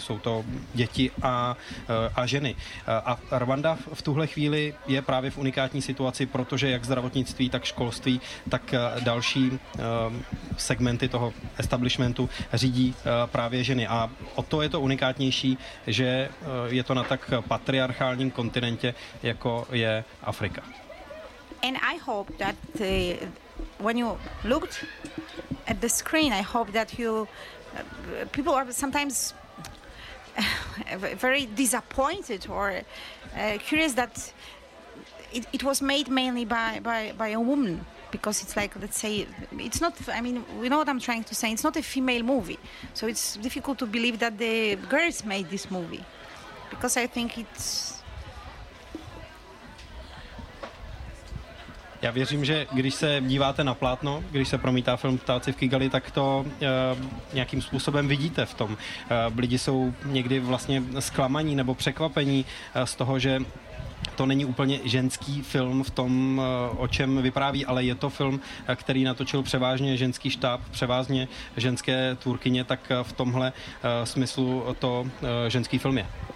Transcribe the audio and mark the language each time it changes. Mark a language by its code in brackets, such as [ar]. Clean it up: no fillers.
[cs] Jsou to děti a ženy. A Rwanda v tuhle chvíli je právě v unikátní situaci, protože jak zdravotnictví, tak školství, tak další segmenty toho establishmentu řídí právě ženy. A o to je to unikátnější, že je to na tak patriarchálním kontinentě, jako je Afrika. [en] And I hope that when you looked at the screen, I hope that you people are sometimes very disappointed or curious that it was made mainly by a woman, because it's like, let's say, it's not, I mean, we know what I'm trying to say, it's not a female movie, so it's difficult to believe that the girls made this movie, because I think it's... [cs] Já věřím, že když se díváte na plátno, když se promítá film Ptáci v Kigali, tak to nějakým způsobem vidíte v tom. Lidi jsou někdy vlastně zklamaní nebo překvapení z toho, že to není úplně ženský film v tom, o čem vypráví, ale je to film, který natočil převážně ženský štáb, převážně ženské tvůrkyně, tak v tomhle smyslu to ženský film je.